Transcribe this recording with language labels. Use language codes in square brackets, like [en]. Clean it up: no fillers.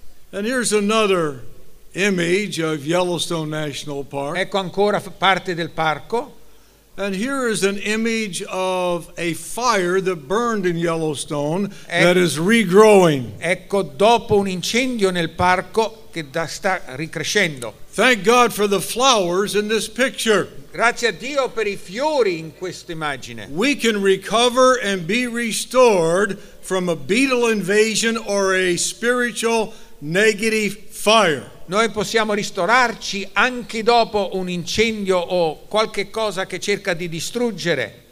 [en] And here's another image of Yellowstone National Park. [it] Ecco ancora parte del parco. [en] And here is an image of a fire that burned in Yellowstone that is regrowing. [it] Ecco, dopo un incendio nel parco che sta ricrescendo. [en] Thank God for the flowers in this picture. [it] Grazie a Dio per I fiori in questa immagine. [en] We can recover and be restored from a beetle invasion or a spiritual negative fire. [it] Noi possiamo ristorarci anche dopo un incendio o qualche cosa che cerca di distruggere.